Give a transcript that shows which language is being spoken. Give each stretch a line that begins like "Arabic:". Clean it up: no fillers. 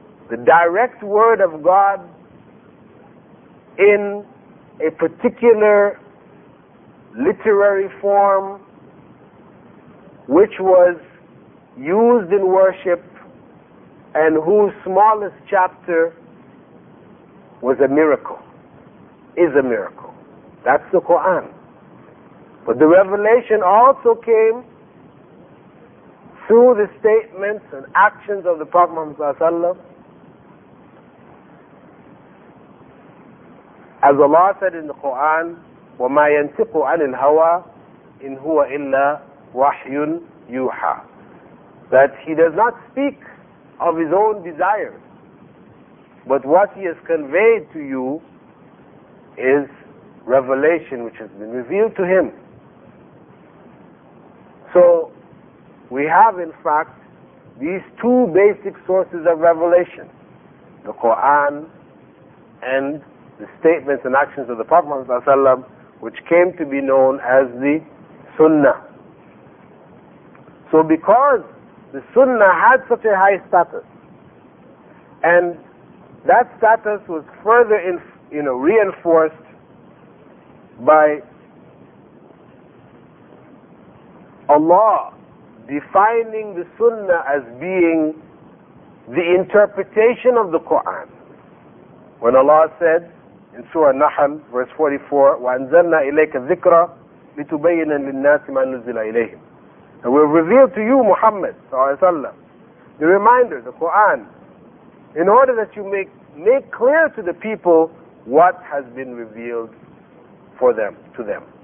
English: The direct word of God in a particular literary form, which was used in worship and whose smallest chapter was a miracle, is a miracle. That's the Quran. But the revelation also came through the statements and actions of the Prophet Muhammad sallallahu alaihi wasallam. As Allah said in the Quran,
Arabic: وَمَا يَنْتِقُ عَنِ الْهَوَىٰ إِنْ هُوَ إِلَّا وَحْيٌ يُوحَىٰ.
English: That he does not speak of his own desires, but what he has conveyed to you is revelation which has been revealed to him. So we have in fact these two basic sources of revelation, the Quran and the statements and actions of the Prophet Muhammad sallallahu alaihi wasallam, which came to be known as the Sunnah. So because the Sunnah had such a high status, and that status was further reinforced by Allah defining the Sunnah as being the interpretation of the Quran. When Allah said in Surah An-Nahl, verse 44,
Arabic: وَأَنزَلْنَا إِلَيْكَ الذِّكْرَ لِتُبَيِّنَ لِلنَّاسِ مَا نُزِّلَ إِلَيْهِمْ.
English: And we have revealed to you, Muhammad sallallahu alaihi wasallam, the reminder, the Quran, in order that you make clear to the people what has been revealed for them, to them.